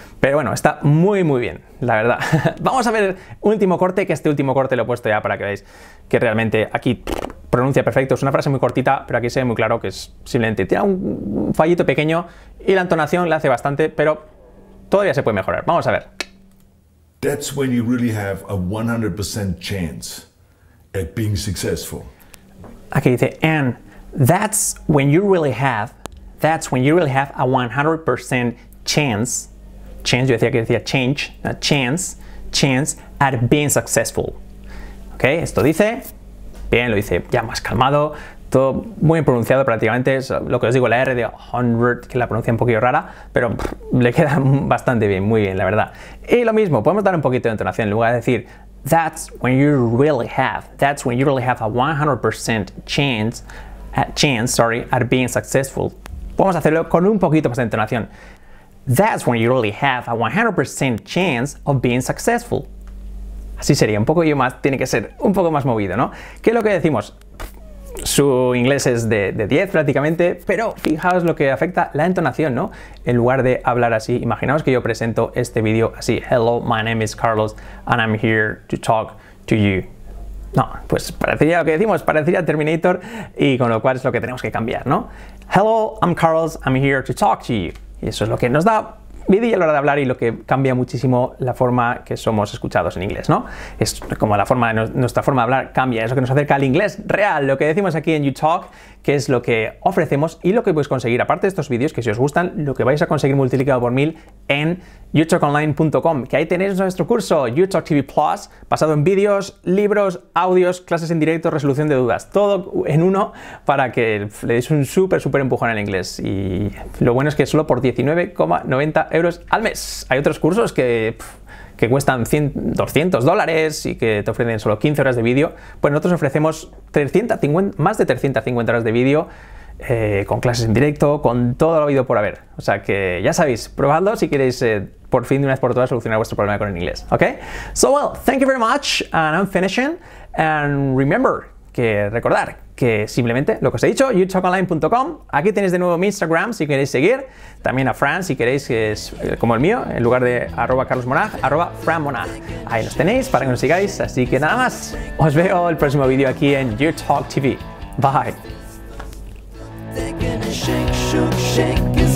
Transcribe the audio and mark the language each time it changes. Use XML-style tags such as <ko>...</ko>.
<es>Pero bueno, está muy, muy bien, la verdad. Vamos a ver un último corte, que este último corte lo he puesto ya para que veáis que realmente aquí pronuncia perfecto. Es una frase muy cortita, pero aquí se ve muy claro que es simplemente tiene un fallito pequeño y la entonación la hace bastante, pero todavía se puede mejorar. Vamos a ver.</es> <en>That's when you really have a 100% chance at being successful.</en> <es>Aquí dice,</es> <en>and that's when you really have a 100% chance. Chance,</en> <es>yo decía que decía</es> <en>change, not chance, chance at being successful. Ok,</en> <es>esto dice. Bien, lo dice ya más calmado, todo muy pronunciado prácticamente, es lo que os digo, la R de 100, que la pronuncia un poquito rara, pero le queda bastante bien, muy bien, la verdad. Y lo mismo, podemos dar un poquito de entonación, en lugar de decir,</es> <en>that's when you really have a 100% chance at being successful,</en> <es>podemos hacerlo con un poquito más de entonación.</es> <en>That's when you really have a 100% chance of being successful.</en> <es>Así sería, un poco yo más, tiene que ser un poco más movido, ¿no? ¿Qué es lo que decimos? Su inglés es de 10 prácticamente, pero fijaos lo que afecta la entonación, ¿no? En lugar de hablar así, imaginaos que yo presento este vídeo así.</es> <en>Hello, my name is Carlos and I'm here to talk to you.</en> <es>No, pues parecería lo que decimos, parecería Terminator, y con lo cual es lo que tenemos que cambiar, ¿no?</es> <en>Hello, I'm Carlos, I'm here to talk to you.</en> <es>Y eso es lo que nos da vídeo a la hora de hablar y lo que cambia muchísimo la forma que somos escuchados en inglés, ¿no? Es como la forma, nuestra forma de hablar cambia, es lo que nos acerca al inglés real, lo que decimos aquí en YouTalk, que es lo que ofrecemos y lo que podéis conseguir, aparte de estos vídeos, que si os gustan, lo que vais a conseguir multiplicado por 1000 en youtalkonline.com, que ahí tenéis nuestro curso YouTalk TV Plus, basado en vídeos, libros, audios, clases en directo, resolución de dudas, todo en uno para que le deis un súper, súper empujón al inglés. Y lo bueno es que solo por 19,90 euros al mes. Hay otros cursos que cuestan 100, $200 y que te ofrecen solo 15 horas de vídeo. Pues nosotros ofrecemos más de 350 horas de vídeo con clases en directo, con todo lo habido por haber. O sea que ya sabéis, probadlo si queréis por fin de una vez por todas solucionar vuestro problema con el inglés. ¿Ok?</es> <en>So well, thank you very much and I'm finishing. And remember,</en> <es>que recordar que simplemente lo que os he dicho, youtalkonline.com, aquí tenéis de nuevo mi Instagram si queréis seguir, también a Fran si queréis, que es como el mío, en lugar de @carlosmonag, @franmonag, ahí nos tenéis para que nos sigáis. Así que nada más, os veo el próximo vídeo aquí en YouTalk TV. Bye.</es>